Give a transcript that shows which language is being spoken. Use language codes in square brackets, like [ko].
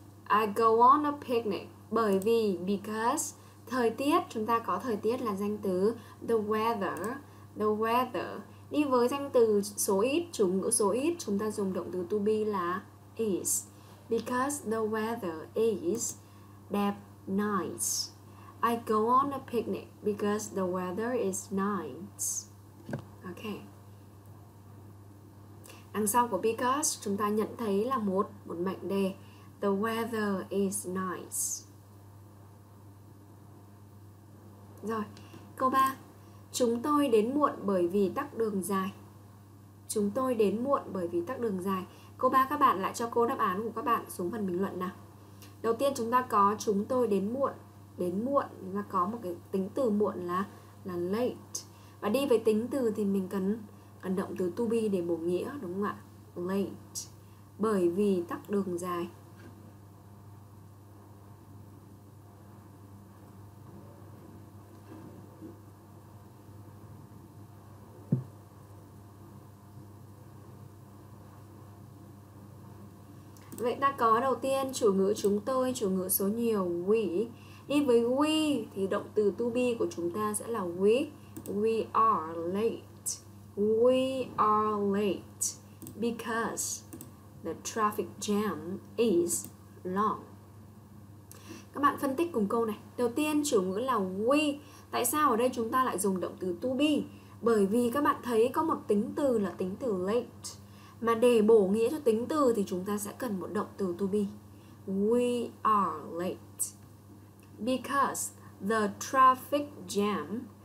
[en] I go on a picnic. [vi] Bởi vì, because, thời tiết, chúng ta có thời tiết là danh từ the weather. The weather đi với danh từ số ít, chủ ngữ số ít, chúng ta dùng động từ to be là is. [en] Because the weather is that nice. I go on a picnic because the weather is nice. Ok. [vi] Đằng sau của because, chúng ta nhận thấy là một mệnh đề. [en] The weather is nice. [vi] Rồi, câu 3. Chúng tôi đến muộn bởi vì tắc đường dài. Chúng tôi đến muộn bởi vì tắc đường dài. Cô ba các bạn lại cho cô đáp án của các bạn xuống phần bình luận nào. Đầu tiên chúng ta có chúng tôi đến muộn. Đến muộn là có một cái tính từ muộn là late. Và đi với tính từ thì mình cần động từ to be để bổ nghĩa, đúng không ạ? Late. Bởi vì tắc đường dài. Vậy ta có đầu tiên chủ ngữ chúng tôi, chủ ngữ số nhiều, we. Đi với we thì động từ to be của chúng ta sẽ là we. [en] We are late. We are late because the traffic jam is long. [vi] Các bạn phân tích cùng câu này. Đầu tiên chủ ngữ là we. Tại sao ở đây chúng ta lại dùng động từ to be? Bởi vì các bạn thấy có một tính từ là tính từ late. Mà để bổ nghĩa cho tính từ thì chúng ta sẽ cần một động từ to be. [en] We are late because the traffic jam.